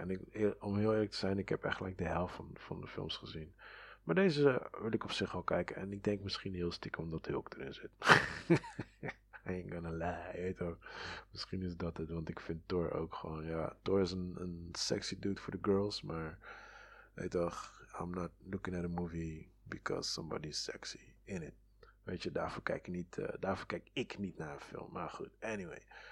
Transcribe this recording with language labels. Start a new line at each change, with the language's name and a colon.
Dutch: En om heel eerlijk te zijn, ik heb echt like de helft van de films gezien. Maar deze wil ik op zich al kijken. En ik denk misschien heel stiekem dat Hulk erin zit.
English: I ain't gonna lie.
Dutch: Misschien is dat het, want ik vind Thor ook gewoon, Thor is een sexy dude voor de girls. Maar, weet toch,
English: I'm not looking at a movie because somebody's sexy in it.
Dutch: Weet je, daarvoor kijk ik niet naar een film. Maar goed, anyway.